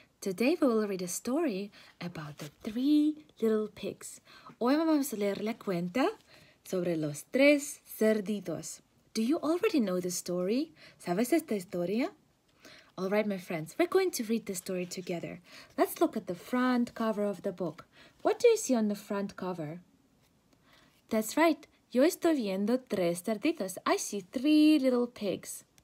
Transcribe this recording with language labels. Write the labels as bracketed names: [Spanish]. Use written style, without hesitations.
[English] Today we will read a story about the three little pigs. [Spanish] Hoy vamos a leer la cuenta sobre los tres cerditos. [English] Do you already know the story? [Spanish] ¿Sabes esta historia? [English] All right, my friends, we're going to read the story together. Let's look at the front cover of the book. What do you see on the front cover? That's right. [Spanish] Yo estoy viendo tres cerditos. [English] I see three little pigs.